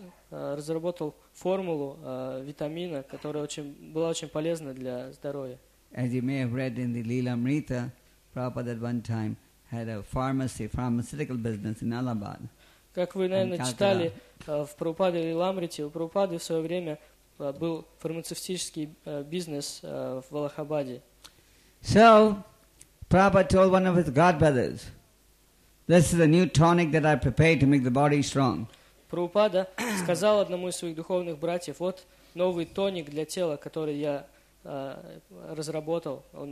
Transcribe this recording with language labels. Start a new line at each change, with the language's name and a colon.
Russian: Разработал формулу витамина, которая была очень полезна для здоровья.
English: As you may have read in the Leelamrita, Prabhupada at one time had a pharmaceutical business in Allahabad.
Russian: Как вы, наверное, читали в Прабхупаде Лиламрите, у Прабхупады в свое время был фармацевтический бизнес в Аллахабаде.
English: So, Prabhupada told one of his godbrothers, "This is a new tonic that I prepared to make the body strong."
Russian: Прабхупада сказал одному из своих духовных братьев, "Вот новый тоник для тела, который я разработал.